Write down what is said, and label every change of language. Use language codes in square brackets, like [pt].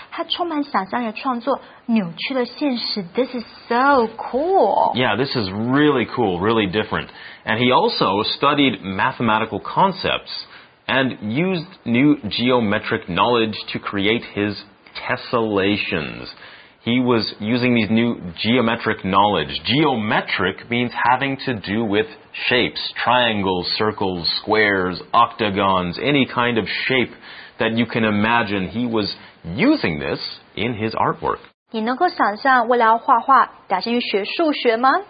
[zh] 它充满想象力的创作，扭曲了现实。 [en] This is so cool. Yeah, this is really cool, really different. And he also studied mathematical concepts and used new geometric knowledge to create his tessellations. He was using these new geometric knowledge. Geometric means having to do with shapes, triangles, circles, squares, octagons, any kind of shape that you can imagine. He was using this in his artwork. [zh] 你能够想象为了要画画，打算去学数学吗？